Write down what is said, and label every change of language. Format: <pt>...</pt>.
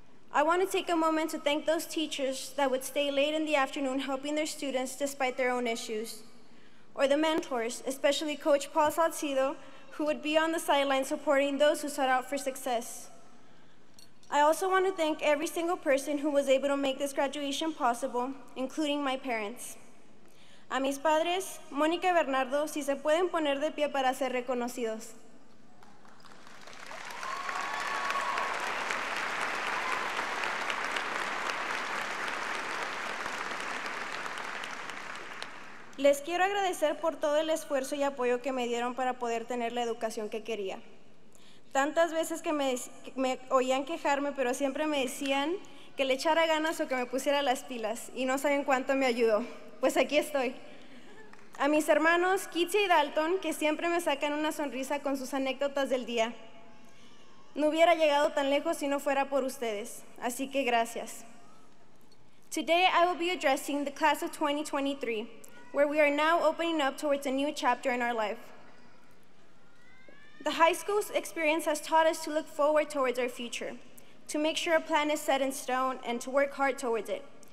<en>I want to take a moment to thank those teachers that would stay late in the afternoon helping their students despite their own issues, or the mentors, especially Coach Paul Salcido, who would be on the sidelines supporting those who sought out for success. I also want to thank every single person who was able to make this graduation possible, including my parents.</en> <es>A mis padres, Mónica y Bernardo, si se pueden poner de pie para ser reconocidos. Les quiero agradecer por todo el esfuerzo y apoyo que me dieron para poder tener la educación que quería. Tantas veces que me oían quejarme, pero siempre me decían que le echara ganas o que me pusiera las pilas, y no saben cuánto me ayudó. Pues aquí estoy. A mis hermanos, Kitsia y Dalton, que siempre me sacan una sonrisa con sus anécdotas del día. No hubiera llegado tan lejos si no fuera por ustedes, así que gracias.</es> <en>Today I will be addressing the class of 2023, where we are now opening up towards a new chapter in our life. The high school's experience has taught us to look forward towards our future, to make sure a plan is set in stone, and to work hard towards it.</en>